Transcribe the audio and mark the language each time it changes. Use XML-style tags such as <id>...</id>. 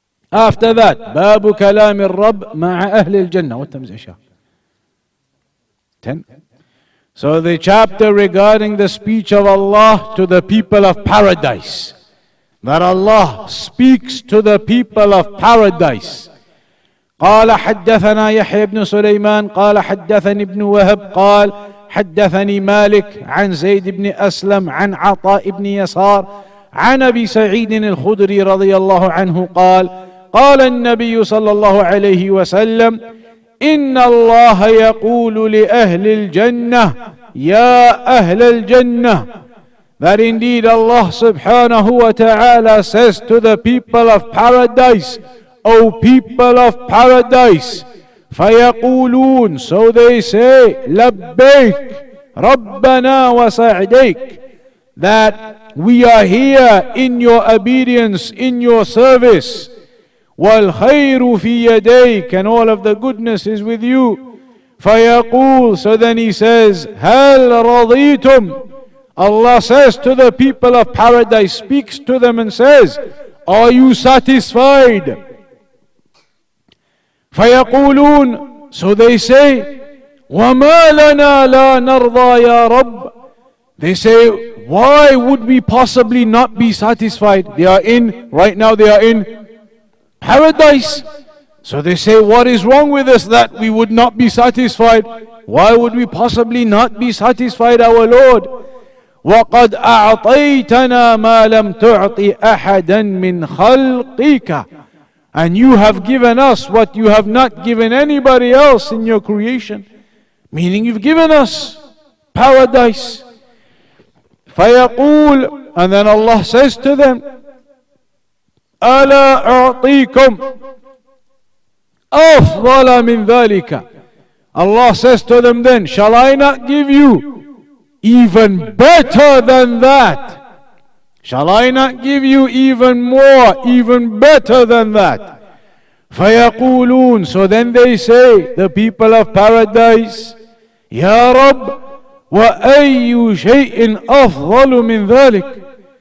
<en>After that,</en> <ar>Babu Kalam al-Rabb ma'a ahli al-Jannah.</ar> <en>What time is Isha? 10. So the chapter regarding the speech of Allah to the people of paradise. That Allah speaks to the people of paradise.</en> <ar>قال حدثنا يحيى بن سليمان قال حدثني ابن وهب قال حدثني مالك عن زيد بن أسلم عن عطاء بن يسار عن أبي سعيد الخدري رضي الله عنه قال قال النبي صلى الله عليه وسلم إن الله يقول لأهل الجنة يا أهل الجنة.</ar> <en>That indeed Allah سبحانه وتعالى says to the people of paradise, O people of paradise,</en> <ar>فيقولون,</ar> <en>so they say,</en> <ar>لبيك ربنا وسعديك,</ar> <en>that we are here in your obedience, in your service,</en> <ar>والخير في يديك,</ar> <en>and all of the goodness is with you.</en> <ar>فيقول,</ar> <en>so then he says,</en> <ar>هل رضيتم.</ar> <en>Allah says to the people of paradise, speaks to them and says, are you satisfied?</en> <ar>فيقولون,</ar> <en>so they say,</en> <ar>وما لنا لا نرضى يا رب.</ar> <en>They say, why would we possibly not be satisfied? They are in, right now they are in paradise. So they say, what is wrong with us that we would not be satisfied? Why would we possibly not be satisfied, our Lord?</en> <ar>وقد أعطيتنا ما لم تعطي أحدا من خلقك.</ar> <en>And you have given us what you have not given anybody else in your creation. meaning you've given us paradise.</en> <ar>فيقول,</ar> <en>and then Allah says to them,</en> <ar>ألا أعطيكم أفضل من ذلك.</ar> <en>Allah says to them then, shall I not give you even better than that? Shall I not give you even more, even better than that?</en> <ar>فَيَقُولُونَ,</ar> <en>so then they say, the people of paradise,</en> <ar>يَا رَبْ وَأَيُّ شَيْءٍ أَفْضَلُ مِنْ ذَلِكَ.</ar>